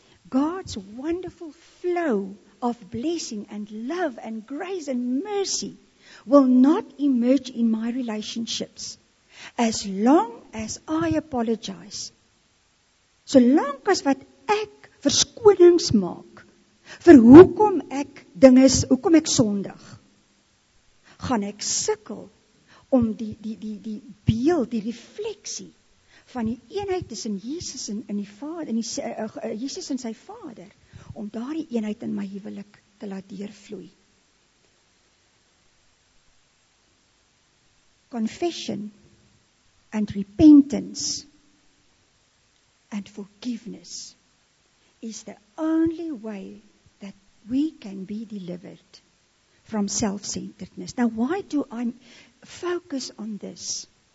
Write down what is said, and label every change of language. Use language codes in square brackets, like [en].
[en] God's wonderful flow of blessing and love and grace and mercy will not emerge in my relationships as long as I apologize. [af] Solank as wat ek verskonings maak vir hoekom ek ding is, hoekom ek sondig, gaan ek sukkel om die beeld, die refleksie van die eenheid tussen Jesus en die Vader, in die Jesus en sy Vader, om daardie eenheid in my huwelik te laat deurvloei. [en] Confession and repentance and forgiveness is the only way that we can be delivered from self-centeredness. Now, why do I focus on this?